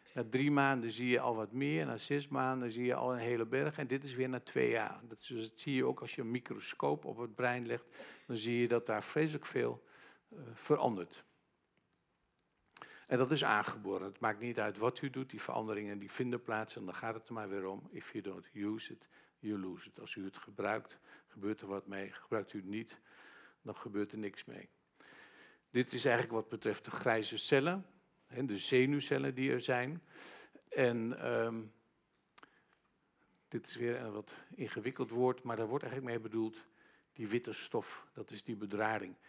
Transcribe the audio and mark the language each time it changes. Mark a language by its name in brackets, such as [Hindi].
[Dutch] Na 3 maanden zie je al wat meer, na 6 maanden zie je al een hele berg en dit is weer na 2 jaar. Dat zie je ook als je een microscoop op het brein legt, dan zie je dat daar vreselijk veel verandert. En dat is aangeboren. Het maakt niet uit wat u doet, die veranderingen die vinden plaats en dan gaat het er maar weer om. [English] If you don't use it, you lose it. [Dutch] Als u het gebruikt, gebeurt er wat mee. Gebruikt u het niet, dan gebeurt er niks mee. Dit is eigenlijk wat betreft de grijze cellen, de zenuwcellen die er zijn. En dit is weer een wat ingewikkeld woord, maar daar wordt eigenlijk mee bedoeld die witte stof, dat is die bedrading.